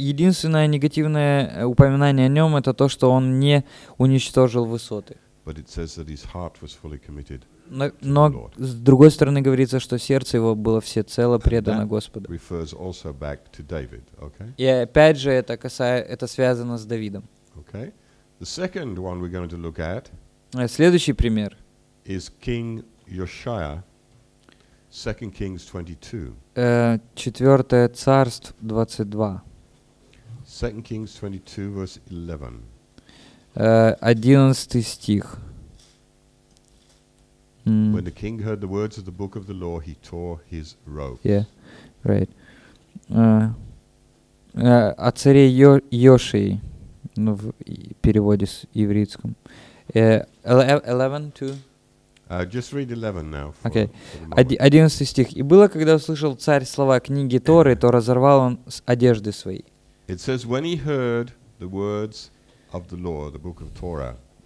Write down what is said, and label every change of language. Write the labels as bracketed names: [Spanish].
[Russian] Единственное негативное упоминание о нем — это то, что он не уничтожил высоты. [English] But it says that his heart was fully committed. [Russian] Но с другой стороны говорится, что сердце его было всецело предано Господу. [English] Refers also back to David, okay? [Russian] И опять же это связано с Давидом. [English] Okay. The second one we're going to look at. [Russian] Следующий пример. [English] Is King Josiah, 2 Kings 22. [Russian] Четвертое царство 22. [English] 2 Kings 22 verse 11. [Russian] 11 стих. [English] When the king heard the words of the book of the law, he tore his robe. Yeah, right. [Russian] О царе Йошии, в переводе с еврейском. 11-2? [English] Just read 11 now. [Russian] Okay. 11 стих. «И было, когда услышал царь слова книги Торы, то разорвал он одежды свои». [English] It says, when he heard the words of the law, the book of Torah,